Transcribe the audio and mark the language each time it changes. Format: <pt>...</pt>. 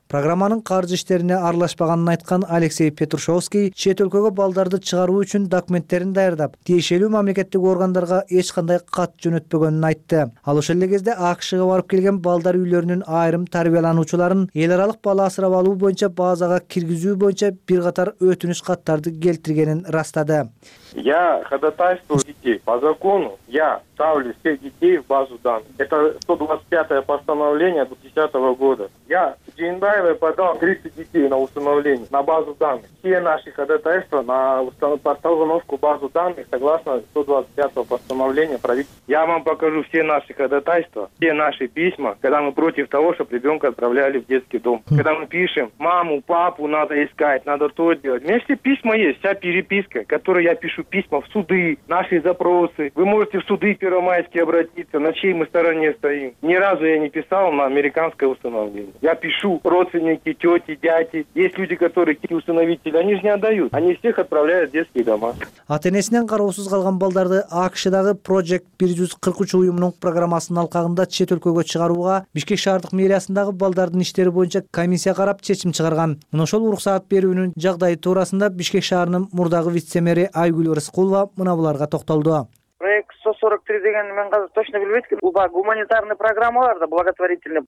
<ky>Программанын каржы иштерине аралашпаганын айткан Алексей Петрушевский чет өлкөгө балдарды чыгаруу үчүн документтерин даярдап, тиешелүү мамлекеттик органдарга эч кандай кат жөнөтпөгөнүн айтты. Ал ошол эле кезде АКШга барып келген балдар үйлөрүнүн айрым тарбиялануучуларын эл аралык бала асырап алуу боюнча базага киргизүү боюнча бир катар өтүнүч каттарды келтиргенин растады.</ky> <ru>Я ходатайствую детей. По закону я ставлю всех детей в базу данных. Это 125-е постановление 2010 года. Я Джейнбаевой подал 30 детей на усыновление, на базу данных. Все наши ходатайства на установку базу данных согласно 125-го постановления правительства. Я вам покажу все наши ходатайства, все наши письма, когда мы против того, чтобы ребенка отправляли в детский дом. Когда мы пишем, маму, папу надо искать, надо то делать. У меня все письма есть, вся переписка, которую я пишу письма в суды, наши запросы. Вы можете в суды первомайские обратиться, на чьей мы стороне стоим. Ни разу я не писал на американское усыновление. Я пишу родственники, тети, дяди. Есть люди, которые эти усыновители, они же не отдают. Они всех отправляют в детские дома.</ru> <ky>Атенесинен караусуз калган балдарды АКШдагы Project 143 уюмунун программасынын алкагында чет өлкөгө чыгарууга Бишкек шаардык мэриясындагы балдардын иштери боюнча комиссия карап чечим чыгарган. Мына ошол уруксат берүүнүн жагдайы туурасында Бишкек шаарынын мурдагы вице-мэри Айгүл Рыскулова мына буларга токтолду. Проект сос 43 деген мен азыр точно билбейм. Бул баягы гуманитарный программалар да, благотворительный.</ky>